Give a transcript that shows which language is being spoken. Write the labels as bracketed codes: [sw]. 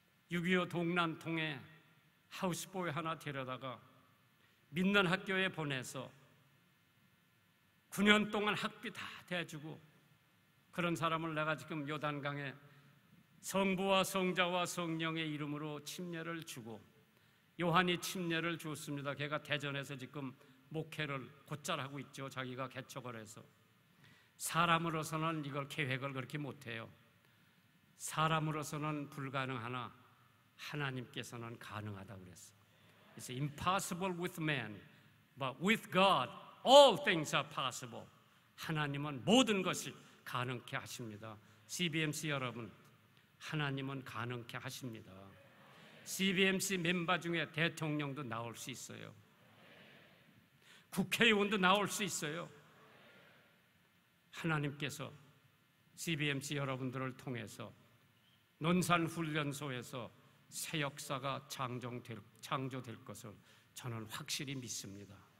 [ko] 6.25 동남통에 하우스보이 하나 데려다가 믿는 학교에 보내서 9년 동안 학비 다 대주고, 그런 사람을 내가 지금 요단강에 성부와 성자와 성령의 이름으로 침례를 주고, 요한이 침례를 줬습니다. 걔가 대전에서 지금 목회를 곧잘 하고 있죠. 자기가 개척을 해서. 사람으로서는 이걸 계획을 그렇게 못해요. 사람으로서는 불가능하나 하나님께서는 가능하다 그랬어. [en] It's impossible with man, but with God, all things are possible. [ko] 하나님은 모든 것이 가능케 하십니다. CBMC 여러분, 하나님은 가능케 하십니다. CBMC 멤버 중에 대통령도 나올 수 있어요. 국회의원도 나올 수 있어요. 하나님께서 CBMC 여러분들을 통해서 논산훈련소에서 새 역사가 창조될 것을 저는 확실히 믿습니다.